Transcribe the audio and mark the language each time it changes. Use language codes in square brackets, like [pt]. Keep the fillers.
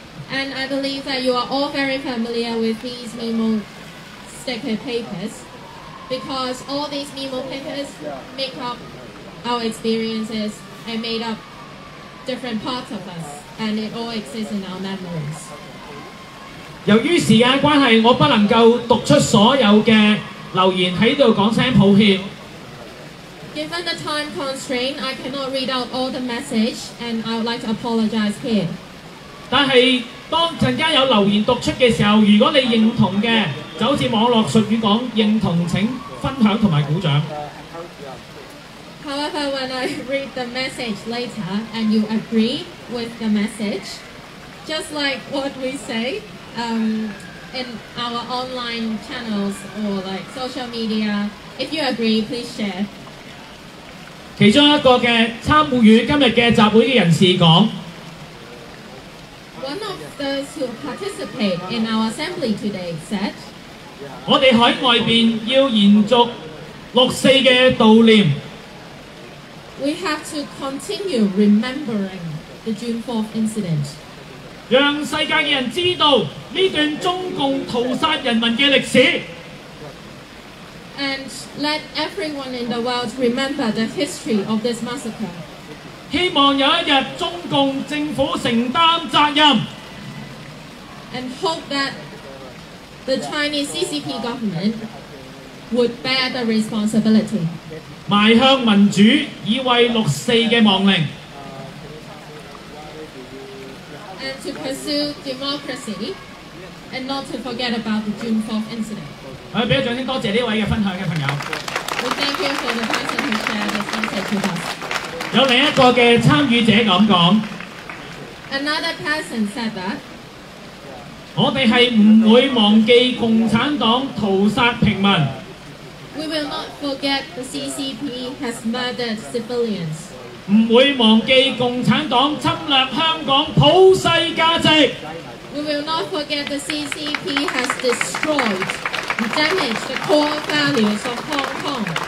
[en] And I believe that you are all very familiar with these memo sticker papers because all these memo papers make up our experiences and made up different parts of us and it all exists in our memories. [yue] 由於時間關係，我不能夠讀出所有嘅留言，喺度講聲抱歉。 [en] Given the time constraint, I cannot read out all the message, and I would like to apologize here. [yue] 但係當陣間有留言讀出嘅時候，如果你認同嘅，就好似網絡術語講認同，請分享同埋鼓掌。 [en] However, when I read the message later and you agree with the message, just like what we say um, in our online channels or like social media, if you agree, please share. [yue] 其中一個嘅參與今日嘅集會嘅人士講。 [en] One of those who participated in our assembly today said, "We have to continue remembering the June 4th incident. [yue] 让世界嘅人知道呢段中共屠杀人民嘅历史。 [en] And let everyone in the world remember the history of this massacre. [yue] 希望有一日中共政府承担责任。 [en] And hope that the Chinese CCP government would bear the responsibility. [yue] 迈向民主，以为六四嘅亡灵。 [en] And to pursue democracy and not to forget about the June 4th incident. [yue] 我俾个掌声，多谢呢位嘅分享嘅朋友。 [en] We well, thank you for the person who shared this insight with us. [yue] 有另一個嘅參與者咁講。 [en] Another person said that. [yue] 我哋係唔會忘記共產黨屠殺平民。 [en] We will not forget the CCP has murdered civilians. [yue] 唔會忘記共產黨侵略香港普世價值。 [en] We will not forget the CCP has destroyed and damaged the core values of Hong Kong.